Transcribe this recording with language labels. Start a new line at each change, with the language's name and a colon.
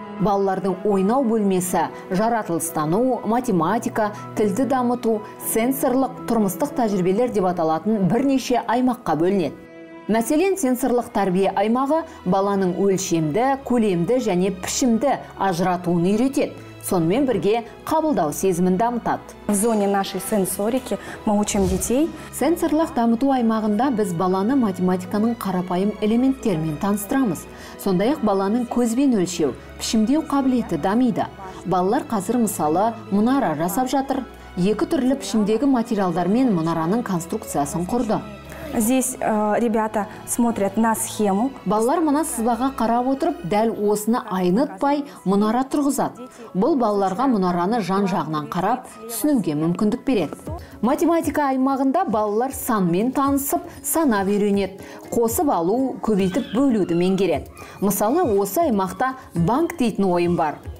Kazakh: Балалардың ойнау бөлмесі жаратылыстану, математика, тілді дамыту, сенсорлық, тұрмыстық тәжірибелер деп аталатын бірнеше аймаққа бөлінеді. Мәселен, сенсорлық тәрбие аймағы баланың өлшемді, көлемді және пішімді ажыратуын үйретеді. Сонымен бірге қабылдау сезімін дамытады.
Russian: В зоне нашей сенсорики мы учим детей.
Kazakh: Сенсорлық дамыту аймағында біз баланы математиканың қарапайым элементтерімен таныстырамыз. Сондай-ақ баланың көзбен өлшеу, пішімдеу қабілеті дамиды. Балалар қазір мысалы мұнара жасап жатыр. Екі түрлі пішімдегі материалдармен мұнараның конструкциясын құрды.
Russian: Здесь ребята смотрят на схему.
Kazakh: Балалар мына сызбаға қарап отырып, дәл осыны айнытпай, мұнара тұрғызады. Бұл балаларға мұнараны жан-жағынан қарап, түсінуге мүмкіндік береді. Математика аймағында балалар санмен танысып, сана үйренеді. Қосып алу, көбейтіп бөлуді меңгереді. Мысалы, осы аймақта банк дейтін ойын бар.